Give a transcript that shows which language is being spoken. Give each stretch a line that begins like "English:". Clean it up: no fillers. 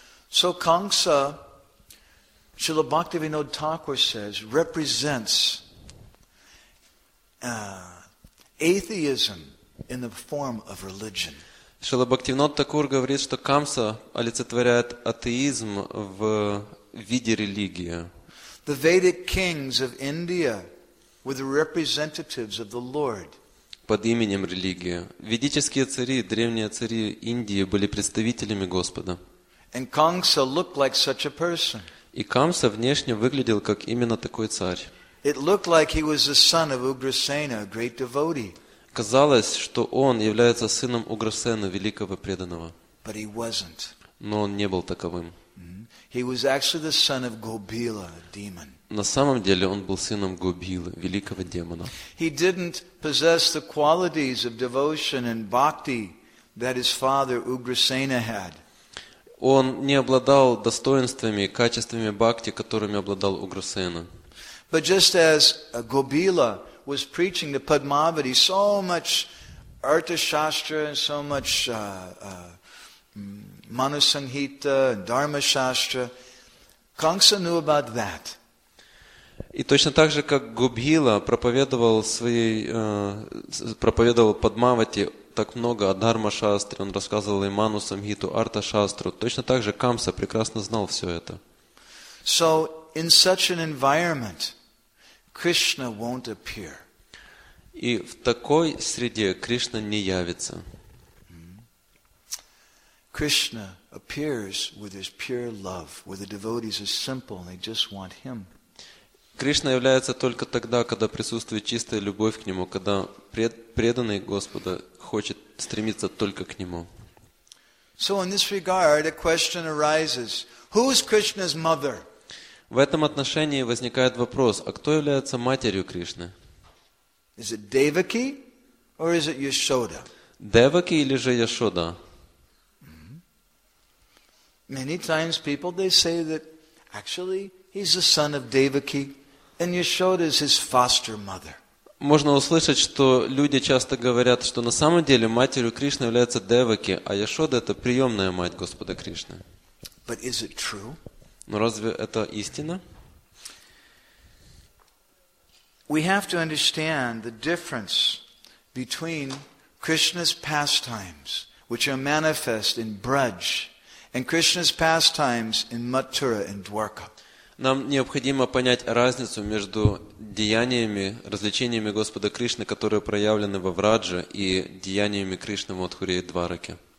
English: So Kamsa, Srila Bhaktivinoda Thakur says, represents atheism in the form of religion.
Russian: Шрила Бхактивинода Такур говорит, что Камса олицетворяет атеизм в виде религии.
English: The Vedic kings of India were the representatives of the Lord.
Russian: Под именем религии. Ведические цари, древние цари Индии были представителями Господа.
English: And Kamsa looked like such a person.
Russian: И Камса внешне выглядел как именно такой царь.
English: It looked like he was the son of Ugrasena, a great devotee.
Russian: Казалось, что он является сыном Уграсена, великого преданного.
English: But he wasn't.
Russian: Но он не был таковым.
English: He was actually the son of Gobila, a demon.
Russian: На самом деле он был сыном Гобилы, великого демона.
English: He didn't possess the qualities of devotion and bhakti that his father Ugrasena had.
Russian: он не обладал достоинствами и качествами бхакти, которыми обладал Уграсена.
English: But just as Gobila was preaching to Padmavati so much Arthashastra and so much Manusanghita and Dharma Shastra, Kamsa knew about that.
Russian: И точно так же, как Гобхила проповедовал своей проповедовал Падмавати так много о Дхарма-шастре, он рассказывал и Манусамхиту, Арта-шастру, точно так же Камса прекрасно знал все это.
English: So, in such an environment, Krishna won't appear.
Russian: И в такой среде Кришна не явится.
English: Krishna appears with his pure love, where the devotees are simple and they just want him.
Russian: Кришна является только тогда, когда присутствует чистая любовь к Нему, когда преданный Господа хочет стремиться только к Нему.
English: So in this regard, a question arises. Who is Krishna's mother?
Russian: В этом отношении возникает вопрос, а кто является матерью Кришны?
English: Is it Devaki or is it Yashoda?
Russian: Devaki или же Yashoda?
English: Many times people, they say that actually he's the son of Devaki. And Yashoda is his foster mother.
Russian: Можно услышать, что люди часто говорят, что на самом деле матерью Кришны является Деваки, а Яшода это приемная мать Господа Кришны.
English: But is it true?
Russian: Но разве это истина?
English: We have to understand the difference between Krishna's pastimes, which are manifest in Braj, and Krishna's pastimes in Mathura and Dwarka.
Russian: Нам необходимо понять разницу между деяниями, развлечениями Господа Кришны, которые проявлены во Врадже, и деяниями Кришны в Мадхуре и Двараке.